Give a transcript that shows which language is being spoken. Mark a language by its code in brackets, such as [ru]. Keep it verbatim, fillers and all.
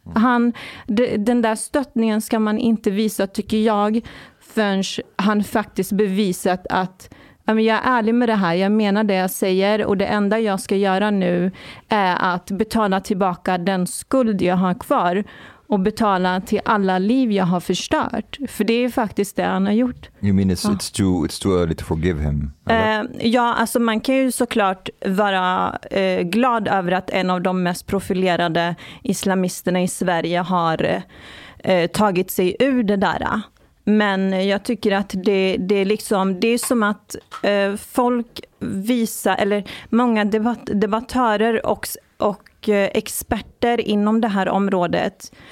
[sv] Han, d- den där stöttningen ska man inte visa, tycker jag, förrän han faktiskt bevisat att jag är ärlig med det här, jag menar det jag säger och det enda jag ska göra nu är att betala tillbaka den skuld jag har kvar och betala till alla liv jag har förstört. För det är faktiskt det han har gjort. [en] You mean it's, it's, too, it's too early to forgive him? [sv] Uh, ja, alltså man kan ju såklart vara uh, glad över att en av de mest profilerade islamisterna i Sverige har uh, tagit sig ur det där. Men jag tycker att det, det, är, liksom, det är som att eh, folk visar, eller många debatt, debattörer och, och eh, experter inom det här området.